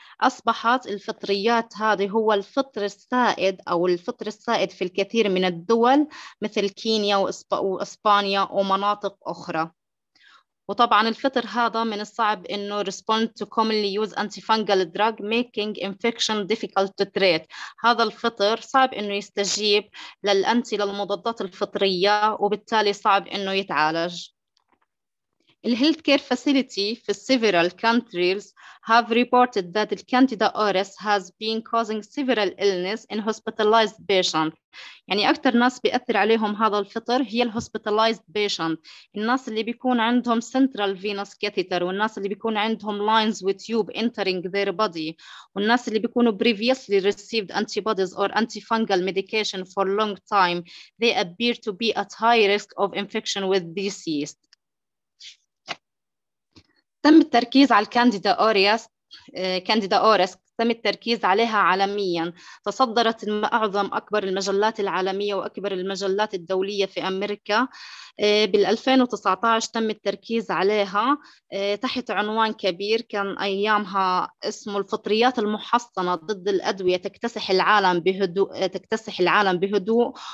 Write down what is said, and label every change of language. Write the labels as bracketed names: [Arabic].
[Arabic] أصبحت الفطريات هذه هو الفطر السائد أو الفطر السائد في الكثير من الدول مثل كينيا وإسبانيا ومناطق أخرى. وطبعا الفطر هذا من الصعب انه [English] respond to commonly used antifungal drug making infection difficult to treat. [Arabic] هذا الفطر صعب انه يستجيب للمضادات الفطرية وبالتالي صعب انه يتعالج. [English] The healthcare facility for several countries have reported that the Candida auris has been causing several illness in hospitalized patients. [Arabic] يعني أكثر ناس بيأثر عليهم هذا الفطر هي الـ [English] hospitalized patient، [Arabic] الناس اللي بيكون عندهم [English] central venous catheter، [Arabic] والناس اللي بيكون عندهم [English] lines with tube entering their body، [Arabic] والناس اللي بيكونوا [English] previously received antibodies or antifungal medication for long time. They appear to be at high risk of infection with disease. [Arabic] تم التركيز على الكانديدا أوريس، كانديدا أوريس تم التركيز عليها عالميا. تصدرت معظم أكبر المجلات العالمية وأكبر المجلات الدولية في أمريكا بال 2019. تم التركيز عليها تحت عنوان كبير كان أيامها اسمه الفطريات المحصنة ضد الأدوية تكتسح العالم بهدوء، تكتسح العالم بهدوء.